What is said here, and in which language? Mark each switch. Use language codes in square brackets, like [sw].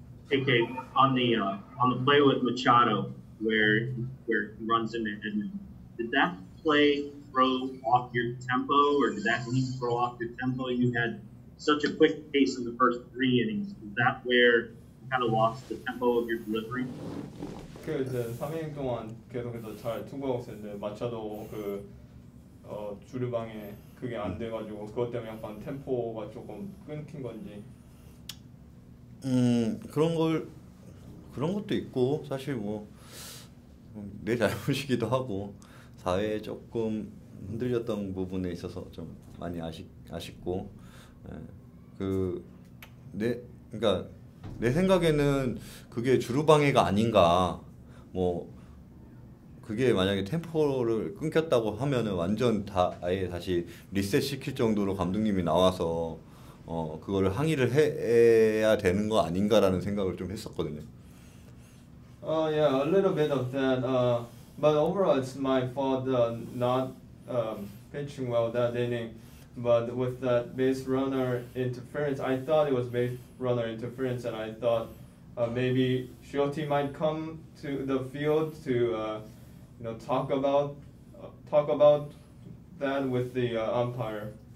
[en] KK, on the play with Machado, where he runs into Edmund, did that play throw off your tempo, or did that lead throw off your tempo? You had such a quick pace in the first three innings. Is that where you kind of lost the tempo of your delivery? [ko] 그 이제 3이닝 동안 계속해서 잘 투구했는데 마차도 그 주류방에 그게 안 돼가지고 그것 때문에 약간 템포가 조금 끊긴 건지. 그런 것도 있고 사실 뭐 내 잘못이기도 하고 사회에 조금 흔들렸던 부분에 있어서 좀 많이 아쉽고 그 내 그러니까 내 생각에는 그게 주류방해가 아닌가. 뭐 그게 만약에 템포를 끊겼다고 하면은 완전 다 아예 다시 리셋 시킬 정도로 감독님이 나와서 그거를 항의를 해야 되는 거 아닌가라는 생각을 좀 했었거든요. [en] Yeah, a little bit of that. But overall, it's my fault not pitching well that inning. But with that base runner interference, I thought it was base runner interference, and I thought maybe Shioti might come to the field to you know talk about that with the umpire.